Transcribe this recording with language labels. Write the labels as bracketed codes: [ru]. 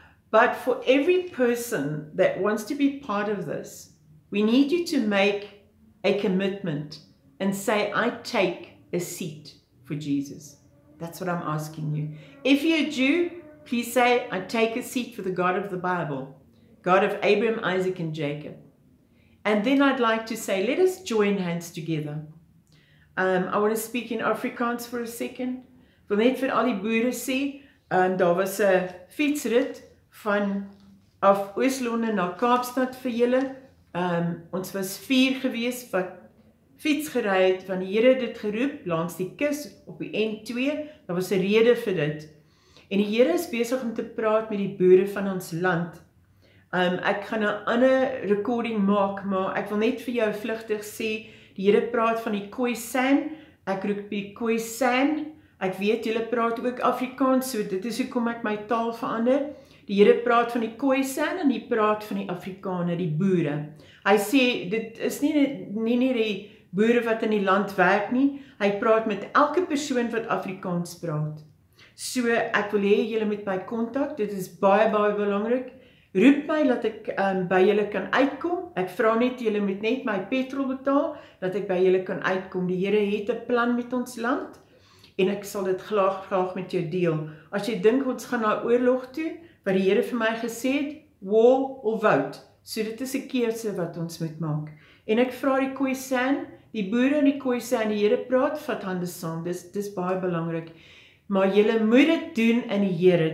[en] But for every person that wants to be part of this, we need you to make a commitment and say, I take a seat for Jesus. That's what I'm asking you. If you're a Jew, please say, I take a seat for the God of the Bible, God of Abraham, Isaac, and Jacob. And then I'd like to say, let us join hands together. I want to speak in Afrikaans for a second. [af] Wil net vir al die boere sê, daar was 'n fietsrit van af Oos-Londen na Kaapstad vir julle. Ons was vier gewees wat fiets gery het, van die Here dit geroep langs die kus op die N2. Daar was 'n rede vir dit. En die Here is besig om te praat met die boere van ons land. Ek gaan 'n ander recording maak, maar ek wil net vir jou vlugtig sê, die Here praat van die Khoisan. Ek roep die Khoisan. Ek weet julle praat ook Afrikaans, so dit is hoekom ek my taal verander. Die Here praat van die Khoisan en hy praat van die Afrikaner, die boere. Hy sê dit is nie die boere wat in die land werk nie. Hy praat met elke persoon wat Afrikaans praat. So ek wil hê julle moet my kontak. Dit is baie belangrik. Roep my dat ek by julle kan uitkom. Ek vra net julle moet net my petrol betaal dat ek by julle kan uitkom. Die Here het 'n plan met ons land. En ek sal dit graag met jou deel. As jy dink ons gaan na oorlog toe, wat die Here vir my gesê het, [en] war or vote. [af] So dit is 'n keuse wat ons moet maak. En ek vra die Khoisan, die boere in die Khoisan, die Here praat, vat hande saam. Dis baie belangrik. Maar julle moet dit doen in die Here.